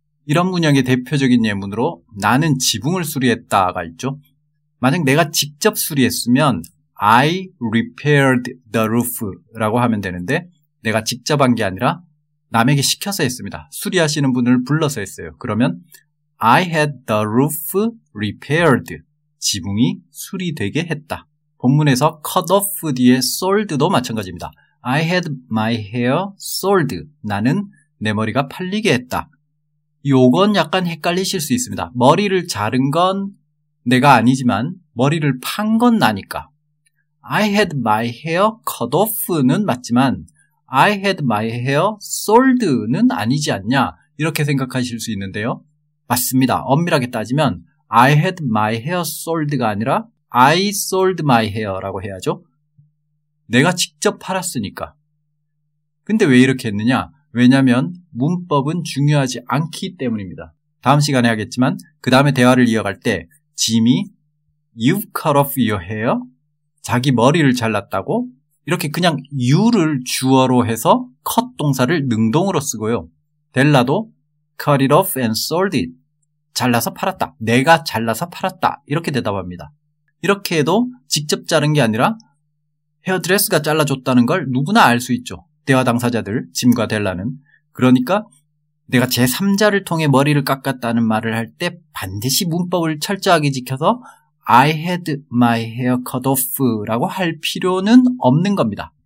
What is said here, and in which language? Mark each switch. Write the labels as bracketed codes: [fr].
[ko] 이런 문형의 대표적인 예문으로 나는 지붕을 수리했다가 있죠. 만약 내가 직접 수리했으면 [en] I repaired the roof [ko] 라고 하면 되는데 내가 직접 한 게 아니라 남에게 시켜서 했습니다. 수리하시는 분을 불러서 했어요. 그러면 [en] I had the roof repaired. [ko] 지붕이 수리되게 했다. 본문에서 cut off 뒤에 sold도 마찬가지입니다. [en] I had my hair sold. [ko] 나는 내 머리가 팔리게 했다. 요건 약간 헷갈리실 수 있습니다. 머리를 자른 건 내가 아니지만 머리를 판 건 나니까. [en] I had my hair cut off [ko] 는 맞지만 [en] I had my hair sold [ko] 는 아니지 않냐, 이렇게 생각하실 수 있는데요. 맞습니다. 엄밀하게 따지면 [en] I had my hair sold [ko] 가 아니라 [en] I sold my hair [ko] 라고 해야죠. 내가 직접 팔았으니까. 근데 왜 이렇게 했느냐? 왜냐하면 문법은 중요하지 않기 때문입니다. 다음 시간에 하겠지만 그 다음에 대화를 이어갈 때 짐이 [en] You've cut off your hair? [ko] 자기 머리를 잘랐다고? 이렇게 그냥 you를 주어로 해서 cut 동사를 능동으로 쓰고요. 델라도 [en] cut it off and sold it. [ko] 잘라서 팔았다. 내가 잘라서 팔았다. 이렇게 대답합니다. 이렇게 해도 직접 자른 게 아니라 헤어드레스가 잘라줬다는 걸 누구나 알 수 있죠. 대화 당사자들, 짐과 델라는. 그러니까 내가 제3자를 통해 머리를 깎았다는 말을 할 때 반드시 문법을 철저하게 지켜서 [en] I had my hair cut off [ko] 라고 할 필요는 없는 겁니다.